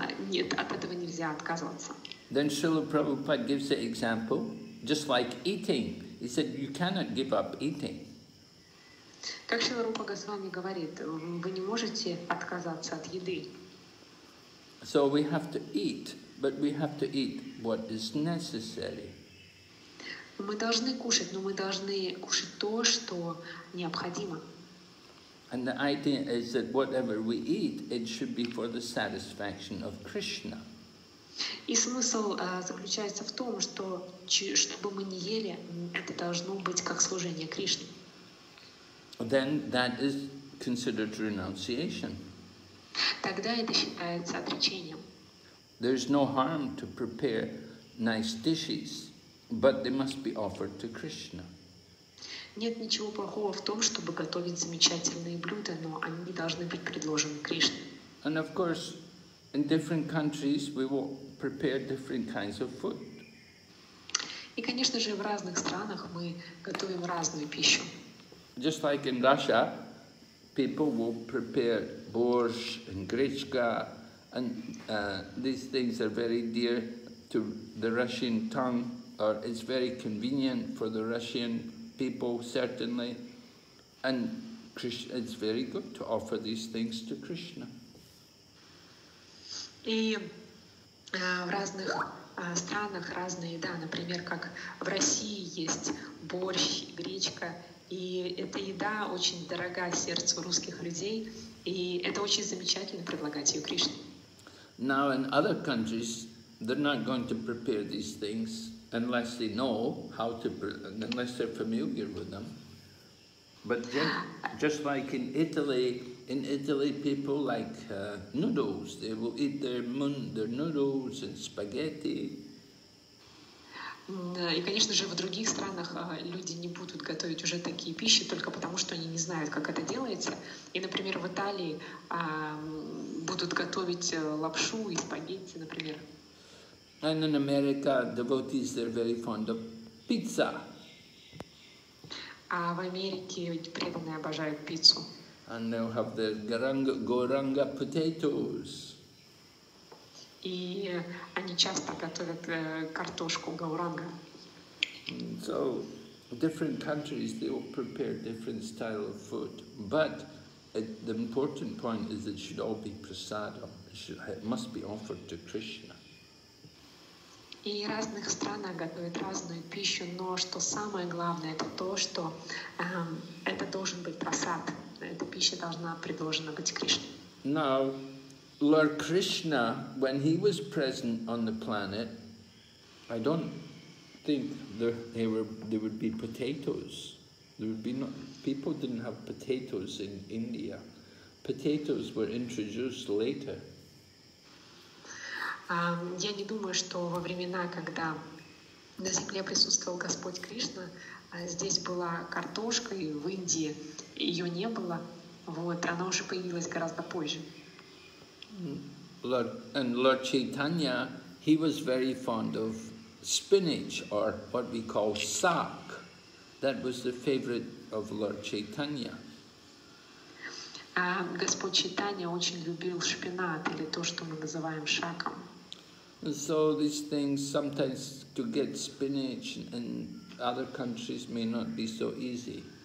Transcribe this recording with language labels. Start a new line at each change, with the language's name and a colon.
Russian: Нет, от этого нельзя отказываться.
English: Then Srila Prabhupada gives the example, just like eating. He said, you cannot give up eating.
Russian: Как Шрила Рупа Госвами говорит, вы не можете отказаться от еды.
English: So we have to eat. But we have to eat what is necessary.
Russian: Мы должны кушать, но мы должны кушать то, что необходимо.
English: And the idea is that whatever we eat, it should be for the satisfaction of Krishna.
Russian: И смысл заключается в том, что что бы мы ни ели, это должно быть как служение Кришне.
English: Then that is considered renunciation.
Russian: Тогда это считается отречением.
English: There's no harm to prepare nice dishes, but they must be offered to Krishna.
Russian: Нет ничего плохого в том, чтобы готовить замечательные блюда, но они не должны быть предложены Кришне.
English: And of course, in different countries we will prepare different kinds of food.
Russian: И, конечно же, в разных странах мы готовим разную пищу.
English: Just like in Russia, people will prepare borscht and grechka, and these things are very dear to the Russian tongue, or it's very convenient for the Russian people, certainly. And Krishna, it's very good to offer these things to Krishna.
Russian: В разных странах разная еда. Например, как в России есть борщ, гречка, и эта еда очень дорога сердцу русских людей, и это очень замечательно предлагать ее Кришне.
English: Now in other countries, they're not going to prepare these things unless they know how to, unless they're familiar with them. But just like in Italy, people like noodles. They will eat their noodles and spaghetti.
Russian: И, конечно же, в других странах люди не будут готовить уже такие пищи только потому, что они не знают, как это делается. И, например, в Италии будут готовить лапшу и спагетти, например.
English: And in America, devotees are very fond of pizza.
Russian: А в Америке преданные обожают пиццу.
English: And they'll have the goranga potatoes.
Russian: И они часто готовят картошку гауранга.
English: So, different countries, they will prepare different style of food. But the important point is it should all be prasadam. It must be offered to Krishna.
Russian: И разных странах готовят разную пищу, но что самое главное, это то, что это должен быть прасад. Эта пища должна предложена быть Кришне.
English: Now, Lord Krishna, when he was present on the planet, I don't think there would be potatoes. There would be no, people didn't have potatoes in India. Potatoes were introduced later.
Russian: Я не думаю, что во времена, когда на земле присутствовал Господь Кришна, здесь была картошка, и в Индии ее не было. Вот, она уже появилась гораздо позже.
English: Lord Chaitanya, he was very fond of spinach, or what we call saag. That was the favorite of Lord Chaitanya.
Russian: Господь Чайтанья очень любил шпинат, или то, что мы называем шагом.
English: So these things, sometimes to get spinach in other countries may not be so easy.